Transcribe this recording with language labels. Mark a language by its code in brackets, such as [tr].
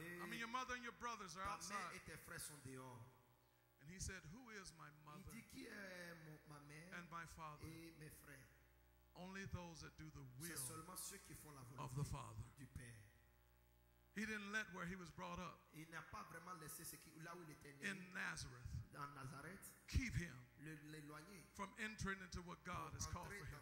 [en] I mean, your mother and your brothers are outside. [fr] Ta mère et tes frères sont dehors. [en] And he said, who is my mother? [fr] Il dit, qui est ma mère [en] and my father? [fr] Et mes frères? [en] Only those that do the will [fr] c'est seulement ceux qui font la volonté [en] of the Father. [fr] Du Père. [en] He didn't let where he was brought up [fr] il n'a pas vraiment laissé ce qui, là où il était né, [en] in Nazareth, [fr] dans Nazareth [en] keep him [fr] l'éloigner [en] from entering into what God has called for him.